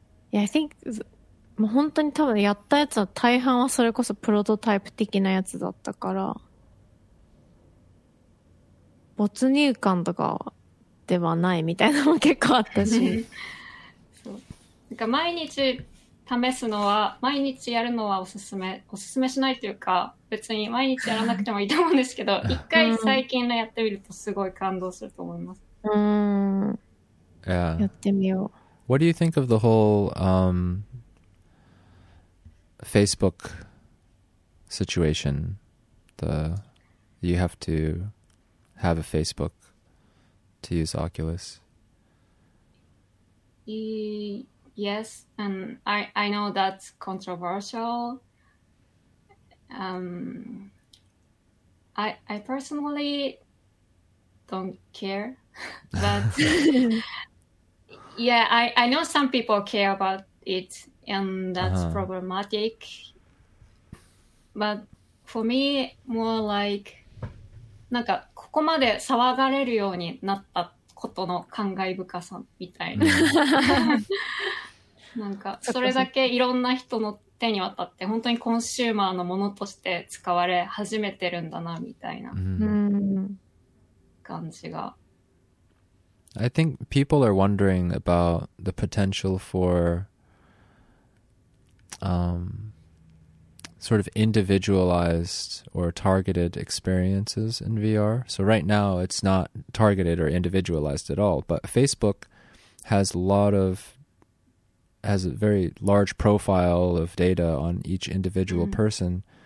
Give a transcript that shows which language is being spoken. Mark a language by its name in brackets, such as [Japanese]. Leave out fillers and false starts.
[English] Yeah, I think [Japanese] もう本当に多分やったやつは大半はそれこそプロトタイプ的なやつだったから没入感とかではないみたいなのも結構あったしそうなんか毎日試すのは毎日やるのはおすすめしないというか別に毎日やらなくてもいいと思うんですけど一回最近のやってみるとすごい感動すると思います [English] yeah. [Japanese] やってみよう [English] What do you think of the whole、Facebook situation, you have to have a Facebook to use Oculus. Yes, and I know that's controversial. I personally don't care, but yeah, I know some people care about it. And that's uh-huh. problematic. But for me, more like, [Japanese] なんかここまで騒がれるようになったことの感慨深さみたいな。なんかそれだけいろんな人の手に渡って本当にコンシューマーのものとして使われ始めてるんだなみたいな感じが。 [English] I think people are wondering about the potential for. Sort of individualized or targeted experiences in VR. So right now it's not targeted or individualized at all, but Facebook has a very large profile of data on each individual person.